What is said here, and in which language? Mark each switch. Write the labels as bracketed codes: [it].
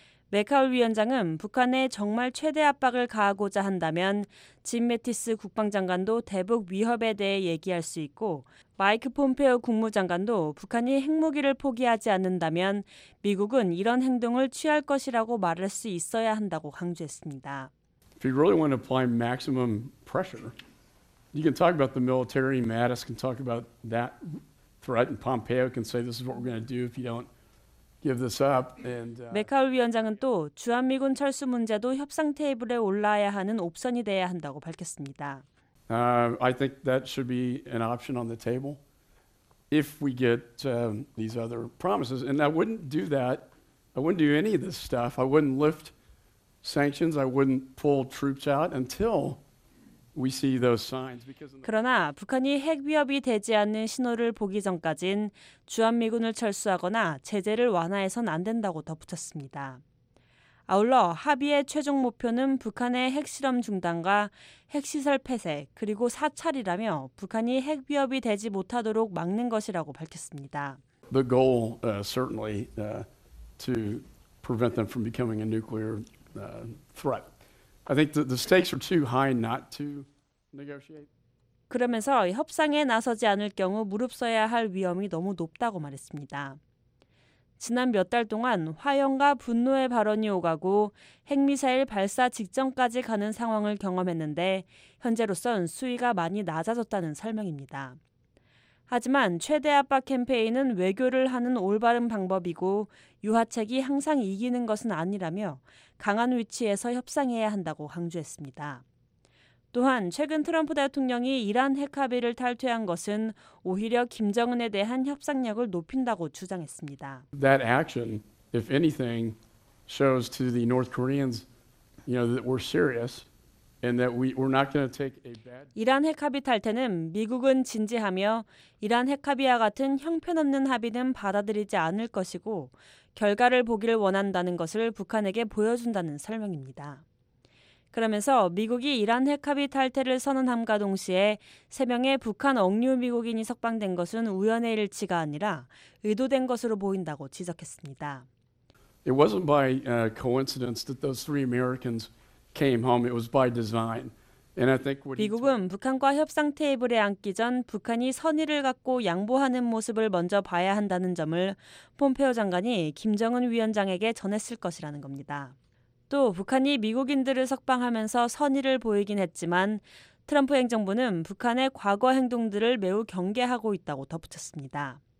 [ko] 맥하울 위원장은 북한에 정말 최대 압박을 가하고자 한다면 짐 매티스 국방장관도 대북 위협에 대해 얘기할 수 있고 마이크 폼페오 국무장관도 북한이 핵무기를 포기하지 않는다면 미국은 이런 행동을 취할 것이라고 말할 수 있어야 한다고 강조했습니다. [en] If you really want to apply maximum pressure, you can talk about the military. Mattis can talk about that threat, and Pompeo can say this is what we're going to do if you don't. [ko] 맥하울 위원장은 또 주한미군 철수 문제도 협상 테이블에 올라야 하는 옵션이 돼야 한다고 밝혔습니다. [en] I think that should be an option on the table if we get these other promises. And I wouldn't do that. I wouldn't do any of this stuff. I wouldn't lift sanctions. I wouldn't pull troops out until we see those signs. [ko] 그러나 북한이 핵 위협이 되지 않는 신호를 보기 전까진 주한미군을 철수하거나 제재를 완화해서는 안 된다고 덧붙였습니다. 아울러 합의의 최종 목표는 북한의 핵실험 중단과 핵시설 폐쇄 그리고 사찰이라며 북한이 핵 위협이 되지 못하도록 막는 것이라고 밝혔습니다. [en] The goal certainly to prevent them from becoming a nuclear threat. I think the stakes are too high not to negotiate. [ko] 그러면서 협상에 나서지 않을 경우 무릅써야 할 위험이 너무 높다고 말했습니다. 지난 몇 달 동안 화염과 분노의 발언이 오가고 핵미사일 발사 직전까지 가는 상황을 경험했는데 현재로선 수위가 많이 낮아졌다는 설명입니다. 하지만 최대 압박 캠페인은 외교를 하는 올바른 방법이고 유화책이 항상 이기는 것은 아니라며 강한 위치에서 협상해야 한다고 강조했습니다. 또한 최근 트럼프 대통령이 이란 핵 합의를 탈퇴한 것은 오히려 김정은에 대한 협상력을 높인다고 주장했습니다. [en] That action, if anything, shows to the North Koreans, you know, that we're serious and that we're not going to take a bad. [ko] 이란 핵 합의 탈퇴는 미국은 진지하며 이란 핵 합의와 같은 형편없는 합의는 받아들이지 않을 것이고 결과를 보기를 원한다는 것을 북한에게 보여준다는 설명입니다. 그러면서 미국이 이란 핵 합의 탈퇴를 선언함과 동시에 세 명의 북한 억류 미국인이 석방된 것은 우연의 일치가 아니라 의도된 것으로 보인다고 지적했습니다. [en] It wasn't by coincidence that those three Americans came home. It was by design. And I think what [ko] 미국은 북한과 협상 테이블에 앉기 전 북한이 선의를 갖고 양보하는 모습을 먼저 봐야 한다는 점을 폼페오 장관이 김정은 위원장에게 전했을 것이라는 겁니다. 또 북한이 미국인들을 석방하면서 선의를 보이긴 했지만 트럼프 행정부는 북한의 과거 행동들을 매우 경계하고 있다고 덧붙였습니다.